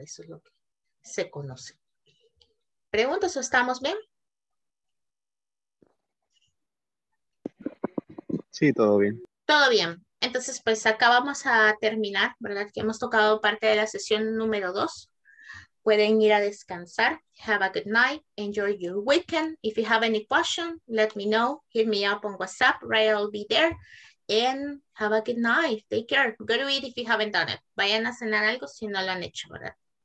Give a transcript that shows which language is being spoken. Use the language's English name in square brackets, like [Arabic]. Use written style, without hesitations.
[Spanish] Eso es lo que se conoce. ¿Preguntas o estamos bien? Sí, todo bien. Todo bien. Entonces, pues acá vamos a terminar, ¿verdad? Que hemos tocado parte de la sesión número 2. Pueden ir a descansar. [English] Have a good night. Enjoy your weekend. If you have any question, let me know. Hit me up on WhatsApp, right? I'll be there. And have a good night. Take care. Go to eat if you haven't done it. [Spanish] Vayan a cenar algo si no lo han hecho, ¿verdad?